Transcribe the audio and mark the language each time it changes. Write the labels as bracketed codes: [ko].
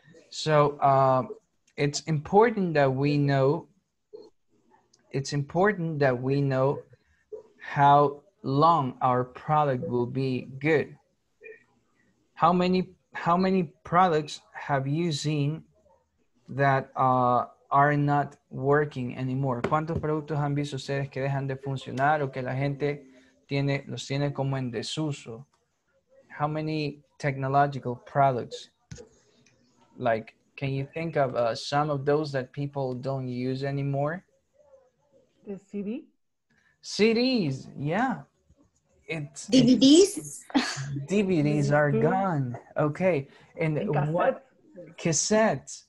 [en] So it's important that we know how long our product will be good. How many products have you seen that are not working anymore? [es] ¿Cuántos productos han visto ustedes que dejan de funcionar o que la gente los tiene como en desuso? [en] How many technological products? Like, can you think of some of those that people don't use anymore? The CD? CDs, yeah. DVDs are gone. Okay, and what? Cassettes.